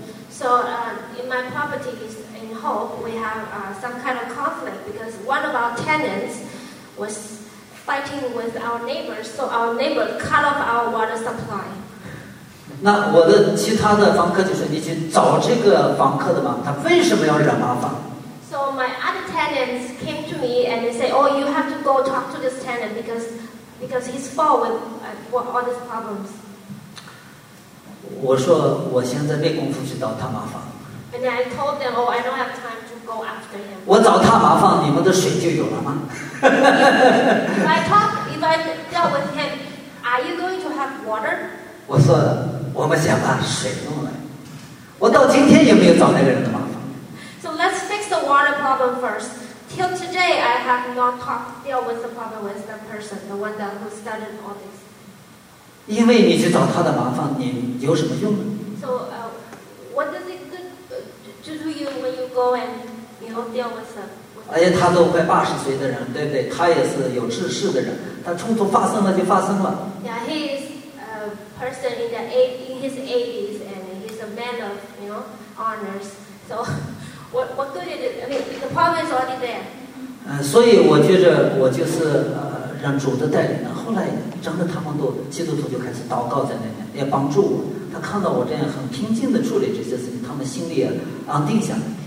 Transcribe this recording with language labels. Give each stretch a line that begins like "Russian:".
English: So in my property in Hope, we have some kind of conflict because one of our tenants was fighting with our neighbors, so our neighbor cut off our water supply.
Chinese: 那我的其他的房客就说：“你去找这个房客的嘛，他为什么要惹麻烦？”
English: So my other tenants came to me and they say, "Oh, you have to go talk to this tenant because he's fault with all these problems."
Chinese: 我说我现在没工夫去找他麻烦。
English: And then I told them, "Oh, I don't have time to go after him."
Chinese: 我找他麻烦，你们的水就有了吗？
English: If I dealt with him, are you going to have water?
Chinese: 我说我们先把水弄来。我到今天也没有找那个人的麻烦。
English: So let's fix the water problem first. Till today, I have not talked deal with the problem with the person, the one that who started all this.
Chinese: 因为你去找他的麻烦，你有什么用呢
English: ？So, what does it good to you when you go and you deal with them?
Chinese: 而且他都快八十岁的人，对不对？他也是有志士的人，他冲突发生了就发生了。
English: Yeah, he is a person in the eighties, and he's a man of, you know, honors. So, what good is it? I mean, the problem is already there.
Chinese: 所以我觉着我就是让主的带领呢。后来真的他们都基督徒就开始祷告在那边，也帮助我。他看到我这样很平静的处理这些事情，他们心里也安定下来。